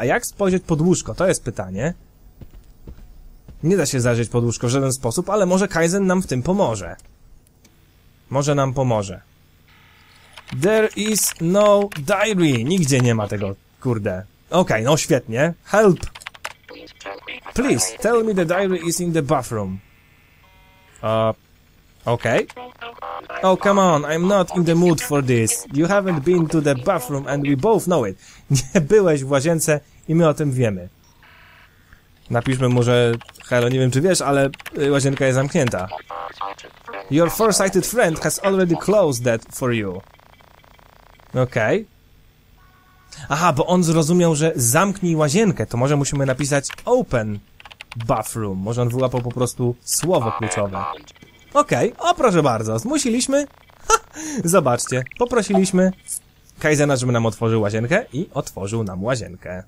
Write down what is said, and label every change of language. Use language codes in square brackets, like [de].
[pl] A jak spojrzeć pod łóżko? To jest pytanie. Nie da się zajrzeć pod łóżko w żaden sposób, ale może Kaizen nam w tym pomoże. Może nam pomoże. [en] There is no diary. [pl] Nigdzie nie ma tego, kurde. Okej, no świetnie. Help. [en] Please, tell me the diary is in the bathroom. Okej. Oh, come on, I'm not in the mood for this. You haven't been to the bathroom and we both know it. [pl] Nie byłeś w łazience i my o tym wiemy. Napiszmy mu, że... Halo, nie wiem, czy wiesz, ale łazienka jest zamknięta. [en] Your foresighted friend has already closed that for you. Okej. Okay. [pl] Aha, bo on zrozumiał, że zamknij łazienkę, to może musimy napisać [en] open bathroom. [pl] Może on wyłapał po prostu słowo kluczowe. Okej, okay. O proszę bardzo, zmusiliśmy, ha, zobaczcie, poprosiliśmy Kaizena, żeby nam otworzył łazienkę i otworzył nam łazienkę.